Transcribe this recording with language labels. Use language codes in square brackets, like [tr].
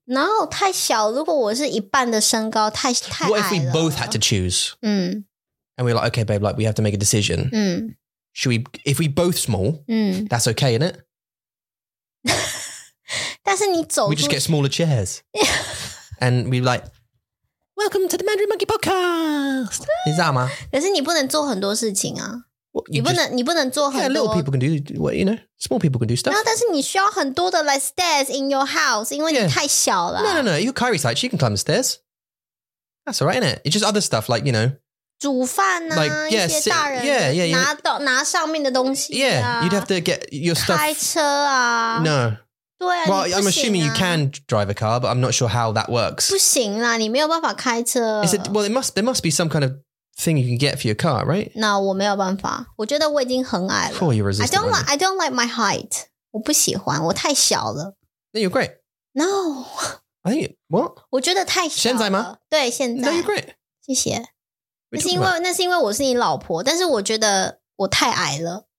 [en] No, [zh] 太小,如果我是一半的身高,太矮了。 [en] What if we both had to choose? 嗯。 And we're like, okay, babe, like, we have to make a decision. 嗯。 Should we, if we both small, 嗯。 That's okay, innit? [zh] 但是你走出去... [en] We just get smaller chairs. And we like... Welcome to the Mandarin Monkey Podcast. [zh] 你知道吗? 可是你不能做很多事情啊。你不能做很多。 [en] Yeah, little people can do, well, you know, small people can do stuff. [zh] 但是你需要很多的 [en] like stairs in your house, [zh] 因为你太小了。 [en] Yeah. No, you're Kyrie's height, she can climb the stairs. That's all right, isn't it? It's just other stuff, like, you know. [zh] 煮饭啊, [en] like, yeah, [zh] 一些大人, [en] yeah. [zh] 拿上面的东西啊, [en] yeah, you'd have to get your stuff. [zh] 开车啊。 [en] No. [zh] 对啊, [en] well, [zh] 你不行啊, [en] I'm assuming you can drive a car, but I'm not sure how that works. [zh] 不行啦, 你没有办法开车。 [en] Is it, well, there must be some kind of thing you can get for your car, right? No, [zh] 我没有办法, 我觉得我已经很矮了。 [en] Oh, you're resistant. I don't like my height. [zh] 我不喜欢, 我太小了。 [en] Then you're great. No. I think, what? [zh] 我觉得太小了。现在吗? 对,现在。 [en] No, you're great. [zh] 谢谢。那是因为我是你老婆, 但是我觉得我太矮了。